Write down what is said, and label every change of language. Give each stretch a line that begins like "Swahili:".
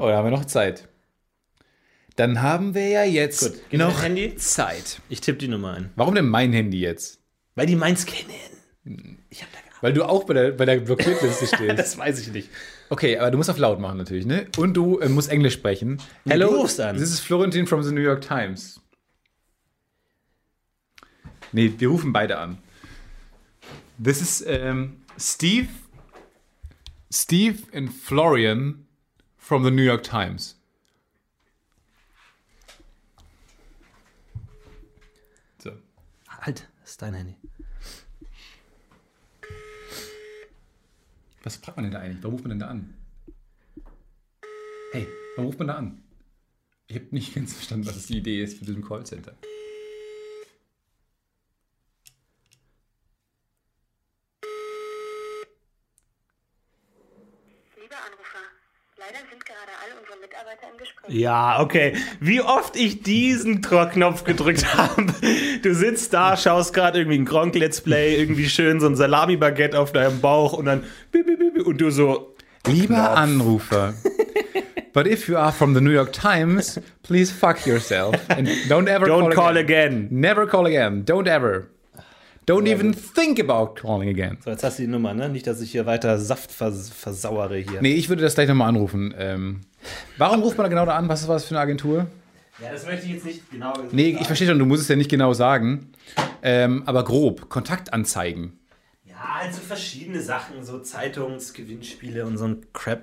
German: Oh, da haben wir noch Zeit. Dann haben wir ja jetzt noch Handy? Zeit. Ich tippe die Nummer ein. Warum denn mein Handy jetzt? Weil die meins kennen. Ich hab da gar Weil du auch bei der Blockiertliste stehst. Das weiß ich nicht. Okay, aber du musst auf laut machen natürlich, ne? Und du musst Englisch sprechen.
English: Hello, this is Florentin from the New York Times.
German: Nee, wir rufen beide an.
English: This is Steve and Florian from the New York Times.
German: So. Halt, das ist dein Handy. Was fragt man denn da eigentlich? Warum ruft man denn da an? Hey, warum ruft man da an? Ich habe nicht ganz verstanden, was die Idee ist für diesen Callcenter. Lieber Anrufer, leider sind gerade alle unsere Mitarbeiter im Gespräch. Ja, okay. Wie oft ich diesen Knopf gedrückt habe. Du sitzt da, schaust gerade irgendwie ein Gronkh-Let's Play, irgendwie schön so ein Salami-Baguette auf deinem Bauch und dann und du so, lieber Knopf. Anrufer,
English: but if you are from the New York Times, please fuck yourself and don't ever call again. Never call again. Don't ever. Don't even think about calling again.
German: So, jetzt hast du die Nummer, ne? Nicht, dass ich hier weiter Saft versauere hier. Nee, ich würde das gleich nochmal anrufen. Warum ruft man da genau da an? Was ist das für eine Agentur? Ja, das möchte ich jetzt nicht genau sagen. Nee, ich verstehe schon, du musst es ja nicht genau sagen. Aber grob, Kontaktanzeigen. Ja, also verschiedene Sachen, so Zeitungsgewinnspiele und so ein Crap.